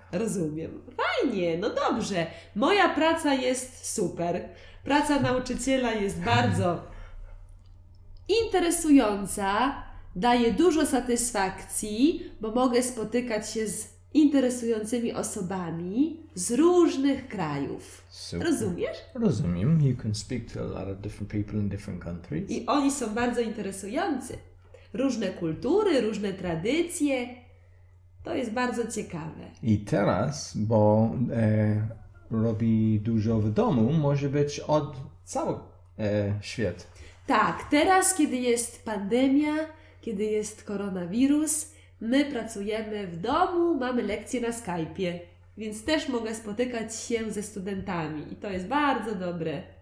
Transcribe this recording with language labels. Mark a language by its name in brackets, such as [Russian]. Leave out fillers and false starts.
[Polish] Rozumiem. Fajnie, no dobrze. Moja praca jest super. Praca nauczyciela jest bardzo interesująca, daje dużo satysfakcji, bo mogę spotykać się z interesującymi osobami z różnych krajów. Super. Rozumiesz? Rozumiem. [English] You can speak to a lot of different people in different countries. [Polish] I oni są bardzo interesujący. Różne kultury, różne tradycje. To jest bardzo ciekawe. I teraz, bo robi dużo w domu, może być od cały świat. Tak, teraz kiedy jest pandemia, kiedy jest koronawirus, my pracujemy w domu, mamy lekcje na Skype'ie, więc też mogę spotykać się ze studentami i to jest bardzo dobre.